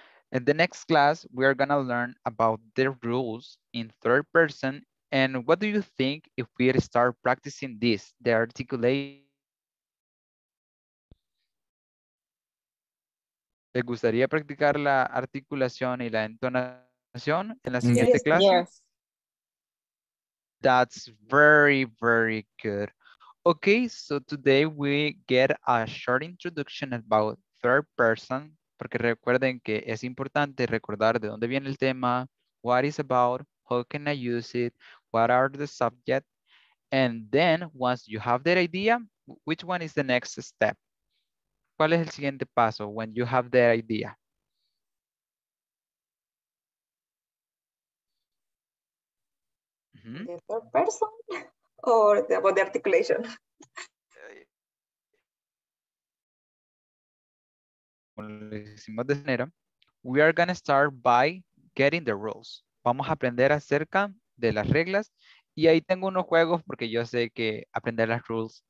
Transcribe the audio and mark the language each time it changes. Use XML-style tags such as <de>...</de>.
<en>In the next class, we are gonna learn about the rules in third person, and what do you think if we start practicing this, the articulation?</en> <es>¿Te gustaría practicar la articulación y la entonación en la siguiente clase?</es> <en>Yes. That's very, very good. Okay, so today we get a short introduction about third person</en> <es>Porque recuerden que es importante recordar de dónde viene el tema,</es> <en>what is about, how can I use it, what are the subject, and then once you have that idea, which one is the next step?</en> <es>¿Cuál es el siguiente paso</es> <en>when you have that idea? The third person or the, about the articulation? We are going to start by getting the rules.</en> <es>Vamos a aprender acerca de las reglas. Y ahí tengo unos juegos porque yo sé que aprender las rules.</es>